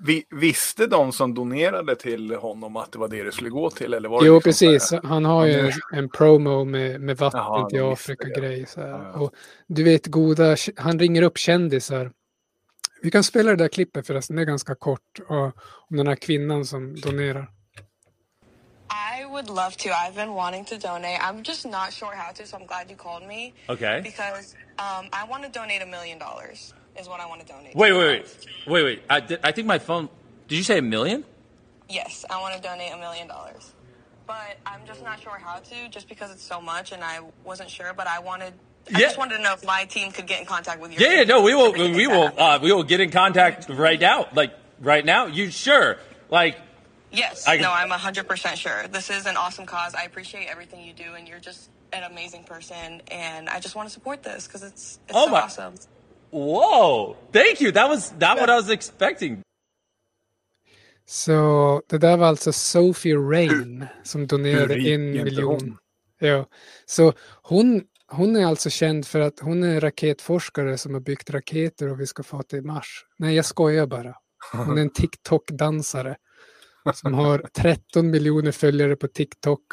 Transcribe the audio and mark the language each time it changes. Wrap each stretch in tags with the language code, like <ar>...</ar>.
<sv>Visste de som donerade till honom att det var det det skulle gå till? Eller var jo, liksom precis. Där... Han har ju en promo med vatten till Afrika-grej. Ja. Och du vet, goda, han ringer upp kändisar. Vi kan spela det där klippet förresten, det är ganska kort. Och, om den här kvinnan som donerar.</sv> <en>I would love to. I've been wanting to donate. I'm just not sure how to, so I'm glad you called me. Okay. Because I want to donate $1 million. Is what I want to donate. Wait. I think my phone... Did you say a million? Yes, I want to donate $1 million. But I'm just not sure how to, just because it's so much, and I wasn't sure, but I wanted... Yeah. I just wanted to know if my team could get in contact with you. Yeah, no, we will get in contact right now. Like, right now? You sure? Like... Yes, I'm 100% sure. This is an awesome cause. I appreciate everything you do, and you're just an amazing person, and I just want to support this, because it's oh, so my. Awesome. Whoa, thank you. That was not what I was expecting.</en> <sv>Så det där var alltså Sophie Rain som donerade en miljon. Ja. Så hon är alltså känd för att hon är raketforskare som har byggt raketer och vi ska få till Mars. Nej, jag skojar bara. Hon är en TikTok-dansare som har 13 miljoner följare på TikTok.</sv>